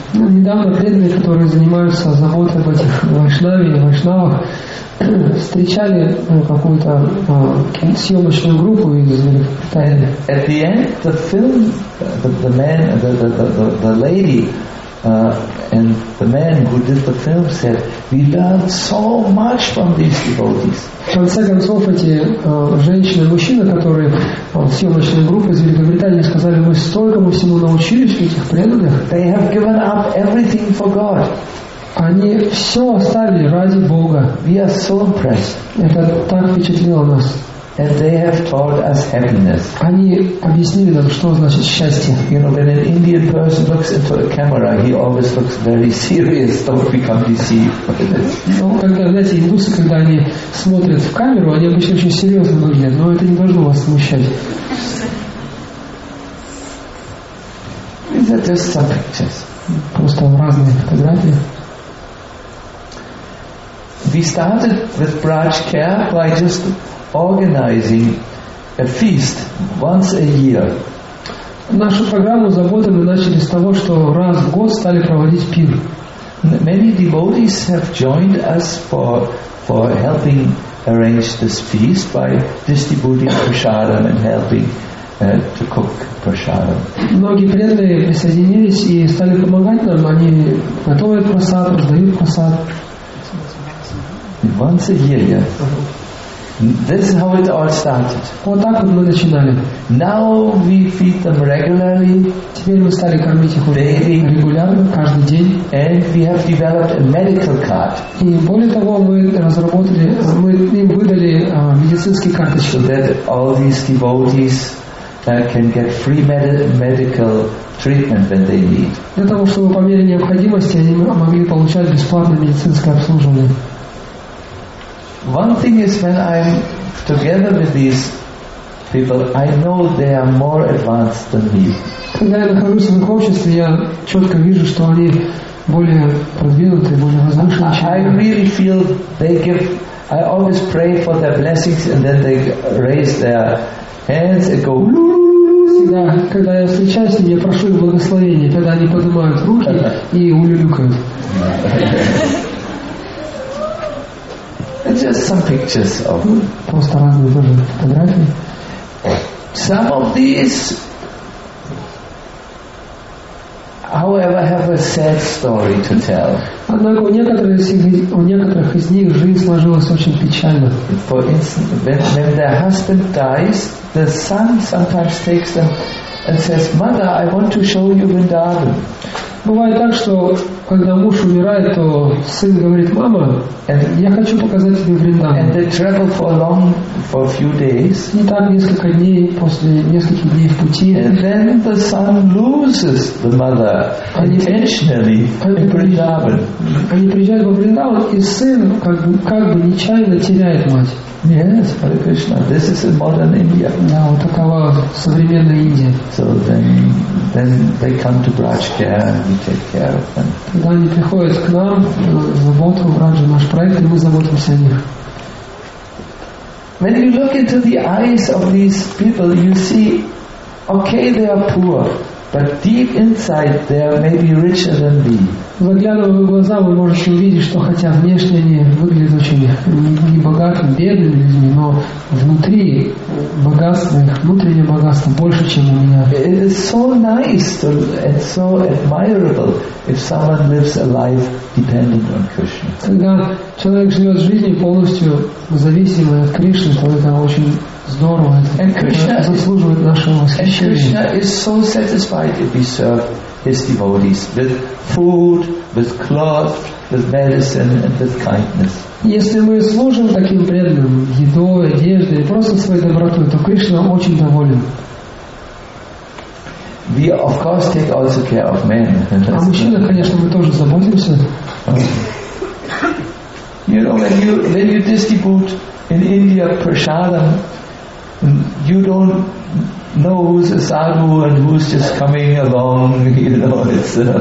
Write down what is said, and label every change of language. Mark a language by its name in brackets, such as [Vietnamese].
[Russian] Недавно преданные, которые занимаются заботой об этих вайшнаве или вайшнавах, встречали какую-то съемочную группу из Великобритании. [English] At the end, the film, the lady. And the man who did the film said, "We learned so much from these devotees." [Russian] В конце концов, эти женщины, мужчины, которые съемочной группы из Великобритании сказали, мы столько всему научились в этих преданных. [English] They have given up everything for God. [Russian] Они все оставили ради Бога. [English] We are so impressed. [Russian] Это так впечатлило нас. [English] And they have taught us happiness. [Russian] Они объяснили нам, что значит счастье. [English] You know, when an Indian person looks into a camera, he always looks very serious. Don't become deceived. [Russian] Ну, когда, знаете, индусы, когда они смотрят в камеру, они обычно очень серьезно выглядят, но это не должно вас смущать. [English] These are just some pictures. [Russian] Просто разные фотографии. [English] We started with Braj Care by just organizing a feast once a year. [Russian] Нашу программу заботы мы начали с того, что раз в год стали проводить пир. [English] Many devotees have joined us for helping arrange this feast by distributing prasadam and helping to cook prasadam. [Russian] Многие преданные присоединились и стали помогать нам. Они готовят прасад, раздают прасад. [English] Once a year, yeah. This is how it all started. [Russian] Вот так вот мы начинали. [English] Now we feed them regularly. [Russian] Теперь мы стали кормить их регулярно, каждый день. [English] And we have developed a medical card. [Russian] И более того, мы им выдали медицинские карточки. [English] So that all these devotees can get free medical treatment when they need. [Russian] Для того, чтобы по мере необходимости они могли получать бесплатное медицинское обслуживание. [English] One thing is when I'm together with these people, I know they are more advanced than me. [Russian] Когда я нахожусь в их обществе, я четко вижу, что они более продвинутые, более возвышенные. [English] I really feel they give. I always pray for their blessings, and then they raise their hands and go. [Russian] Всегда, когда я встречаюсь с ними, я прошу их благословения, тогда они поднимают руки и улюлюкают. [English] Just some pictures of them. Some of these, however, have a sad story to tell. [Russian] Однако у некоторых из них жизнь сложилась очень печально. [English] For instance, when their husband dies, the son sometimes takes them and says, "Mother, I want to show you Vrindavan." [Russian] Бывает так, что когда муж умирает, то сын говорит: "Мама, я хочу показать тебе Вриндаван." [English] And they travel for a few days. [Russian] И так несколько дней, после нескольких дней в пути. [English] And then the son loses the mother intentionally in Vrindavan. [Russian] Они приезжают во Вриндаван, и сын как бы нечаянно теряет мать. [English] Yes, Hare Krishna. This is a modern India. [Russian] Да, вот такова современная Индия. [English] So then they come to Braj Care. [Russian] Когда они приходят к нам, заботу, вражу наш проект, и мы заботимся о них. [English] When you look into the eyes of these people, you see, okay, they are poor, but deep inside they are maybe richer than we. [Russian] Заглядывая в глаза, вы можете увидеть, что хотя внешне они выглядят очень небогатыми, бедными людьми, но внутри богатство, их внутреннее богатство больше, чем у меня. [English] It is so nice to, and so admirable if someone lives a life dependent on Krishna. [Russian] Когда человек живет жизнью полностью зависимой от Кришны, то это очень здорово, это заслуживает нашего восхищения. [English] And Krishna is so satisfied if we serve His devotees with food, with clothes, with medicine, and with kindness. [Russian] Если мы служим таким преданным едой, одеждой, просто своей добротой, то Кришна очень доволен. [English] We of course take also care of men. [Russian] А мужчины, конечно, мы тоже заботимся. [English] You know, when you distribute in India prasadam, you don't know who's a sadhu and who's just coming along, you know, it's